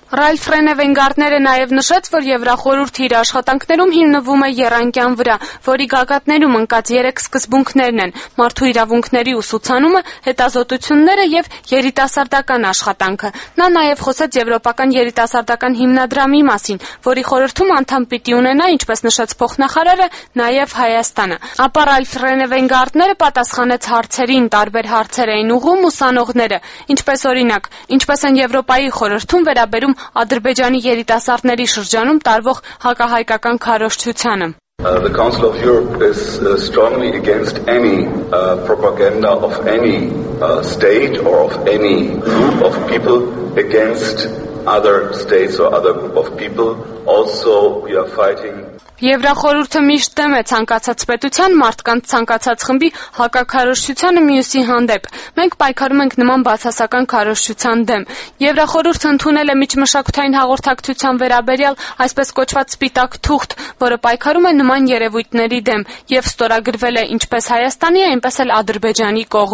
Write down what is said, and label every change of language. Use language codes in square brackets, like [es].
[hy] Ռալֆ Ռենե Վենգարդները նաև նշեց, որ Եվրախորհուրդի իր աշխատանքներում հիմնվում է եռանկյան վրա, որի գագաթներում ընկած 3 սկզբունքներն են՝ մարդու իրավունքների ուսուցանումը, հետազոտությունները և երիտասարդական աշխատանքը։ Նա նաև խոսեց Եվրոպական երիտասարդական հիմնադրամի մասին, որի խորհրդում անդամ պիտի ունենա, ինչպես նշեց փոխնախարարը, նաև Հայաստանը։ Ապա Ռալֆ Ռենե Վենգարդները պատասխանեց հարցերին, տարբեր հարցեր էին ուղղում ուսանողները, ինչպես օրինակ, ինչպես են Եվրոպայի խորհրդում վերաբերում Ադրբեջանի երիտասարդների շրջանում տարվող հակահայկական քարոշցությանը։ [en] The Council of Europe is strongly against any propaganda of any state or of any group of people against other states or other group of people. Also we are fighting [hy] Եվրախորհուրդը միշտ դեմ է ցանկացած պետության, մարդկանց ցանկացած խմբի հակակարոշչությանը մյուսի հանդեպ։ Մենք պայքարում ենք նման բացասական կարոշչության դեմ։ Եվրախորհուրդը ընդունել է միջմշակութային հաղորդակցության վերաբերյալ այսպես կոչված սպիտակ թուղթ, որը պայքարում է նման երևույթների դեմ և ստորագրվել է ինչպես Հայաստանի, այնպես էլ Ադրբեջանի